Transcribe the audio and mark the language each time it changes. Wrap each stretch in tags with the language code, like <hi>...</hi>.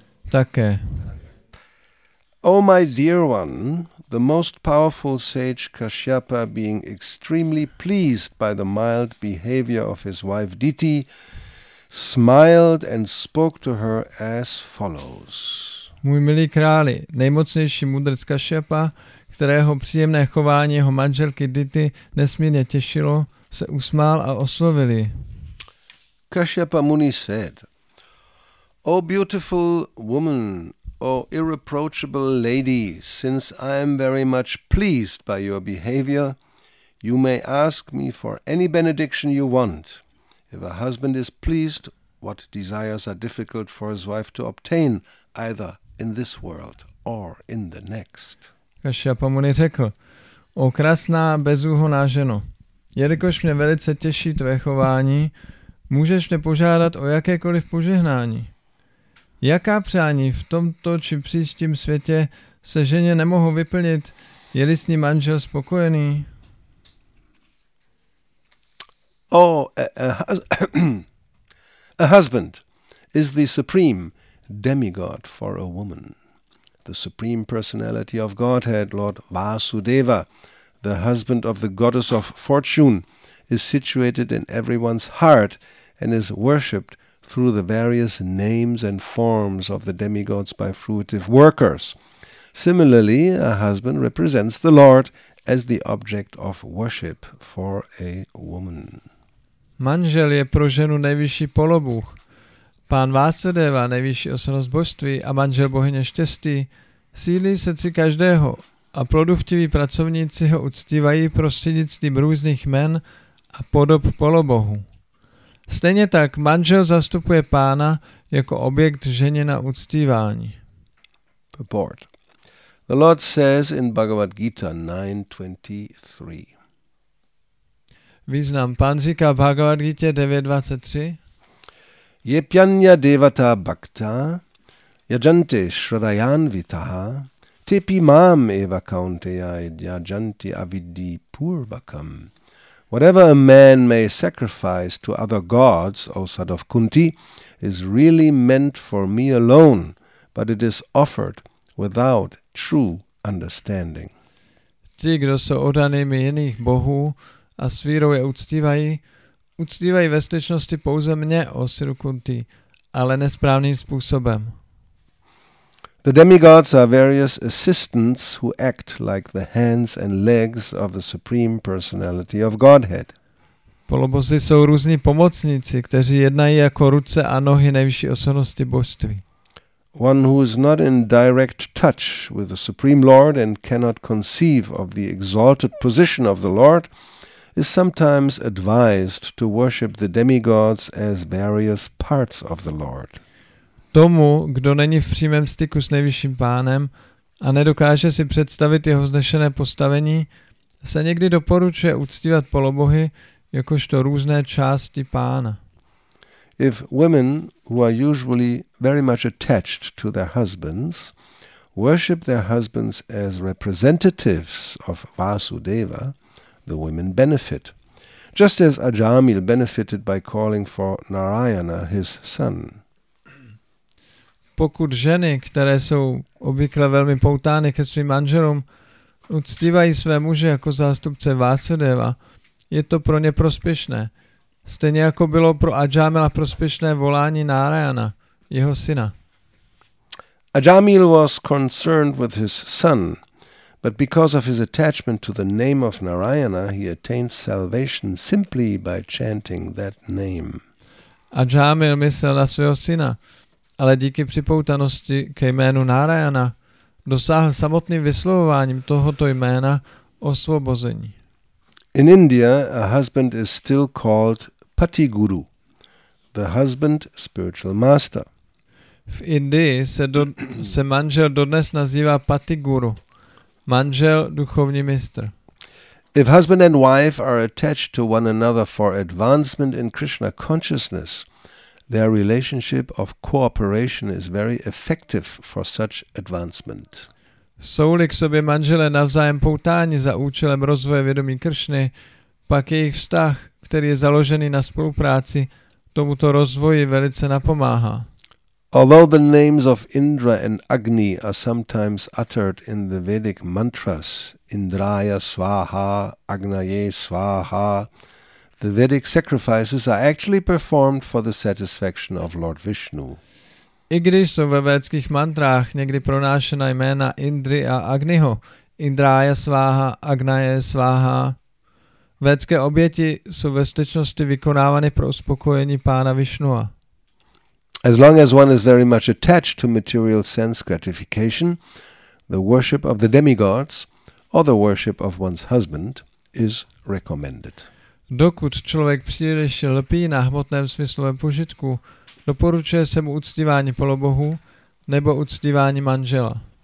<cs>Také.</cs> <en>Oh, my dear one, the most powerful sage Kashyapa, being extremely pleased by the mild behavior of his wife Diti, smiled and spoke to her as follows.</en> <cs>Můj milý králi, nejmocnější mudrc Kashyapa, kterého příjemné chování jeho manželky Diti nesmírně těšilo, se usmál a oslovil ji.</cs> <en>Kashyapa Muni said, O beautiful woman, O irreproachable lady, since I am very much pleased by your behavior, you may ask me for any benediction you want. If a husband is pleased, what desires are difficult for his wife to obtain, either in this world or in the next?</en> <cs>Kashyapa Muni řekl, O krásná bezúhoná ženo, jelikož mě velice těší tvé chování, můžeš mě požádat o jakékoliv požehnání. Jaká přání v tomto či příštím světě se ženě nemohou vyplnit, je-li s ní manžel spokojený?</cs> <en>Oh, a husband is the supreme demigod for a woman. The supreme personality of Godhead, Lord Vasudeva, the husband of the goddess of fortune, is situated in everyone's heart and is worshipped through the various names and forms of the demigods by fruitive workers. Similarly, a husband represents the Lord as the object of worship for a woman.</en> <cs>Manžel je pro ženu nejvyšší polobůh. Pán Vasudeva, nejvyšší osobnost božství a manžel bohyně štěstí, sídlí v srdci každého a produktiví pracovníci ho uctívají prostřednictvím různých jmen a podob polobohu. Stejně tak manžel zastupuje pána jako objekt ženě na uctívání.</cs> <en>Purport. The Lord says in Bhagavad Gita 9.23.</en> <cs>Význam. Pán říká v Bhagavad Gita 9.23.</cs> <sa>Yepyanya devata bhakta yajante shradayanvitaha tepi mam eva kaunteya yajante aviddhi purvakam.</sa> <en>Whatever a man may sacrifice to other gods, O son of Kunti, is really meant for me alone, but it is offered without true understanding.</en> <cs>Ti, kdo jsou oddanými jiných bohů a s vírou je uctívají, uctívají ve skutečnosti pouze mě, O synu Kunti, ale nesprávným způsobem.</cs> <en>The demigods are various assistants who act like the hands and legs of the Supreme Personality of Godhead.</en> <cs>Polobozy jsou různí pomocníci, kteří jednají jako ruce a nohy nejvyšší osobnosti božství.</cs> <en>One who is not in direct touch with the Supreme Lord and cannot conceive of the exalted position of the Lord is sometimes advised to worship the demigods as various parts of the Lord.</en> <cs>Tomu, kdo není v přímém styku s nejvyšším pánem a nedokáže si představit jeho vznešené postavení, se někdy doporučuje uctívat polobohy jakožto různé části pána.</cs> <en>If women who are usually very much attached to their husbands worship their husbands as representatives of Vasudeva, the women benefit. Just as Ajamil benefited by calling for Narayana, his son.</en> <cs>Pokud ženy, které jsou obvykle velmi poutány ke svým manželům, uctívají své muže jako zástupce Vasudeva, je to pro ně prospěšné, Stejně jako bylo pro Ajamila prospěšné volání Narayana, jeho syna.</cs> <en>Ajamil was concerned with his son, but because of his attachment to the name of Narayana, he attained salvation simply by chanting that name.</en> <cs>Ajamil myslel na svého syna, ale díky připoutanosti ke jménu Narayana dosáhl samotným vyslovováním tohoto jména osvobození.</cs> <en>In India, a husband is still called Pati Guru, the husband spiritual master.</en> <cs>V Indii se manžel dodnes nazývá Pati Guru, manžel duchovní mistr.</cs> <en>If husband and wife are attached to one another for advancement in Krishna consciousness, their relationship of cooperation is very effective for such advancement.</en> <cs>Jsou-li k sobě manžele navzájem poutáni za účelem rozvoje vědomí Kršny, pak jejich vztah, který je založený na spolupráci, tomuto rozvoji velice napomáhá.</cs> <en>Although the names of Indra and Agni are sometimes uttered in the Vedic mantras,</en> <sa>Indraya Swaha, Agnaye Swaha,</sa> <en>the Vedic sacrifices are actually performed for the satisfaction of Lord Vishnu.</en> <cs>I když jsou ve védských mantrách někdy pronášena jména Indry a Agniho,</cs> <sa>Indraya Swaha, Agnaye Swaha,</sa> <cs>védské oběti jsou ve skutečnosti vykonávány pro uspokojení pána Vishnua.</cs> <en>As long as one is very much attached to material sense gratification, the worship of the demigods or the worship of one's husband is recommended.</en> <cs>Dokud člověk příliš lpí na hmotném smyslovém požitku, doporučuje se mu uctívání polobohu nebo uctívání manžela.</cs>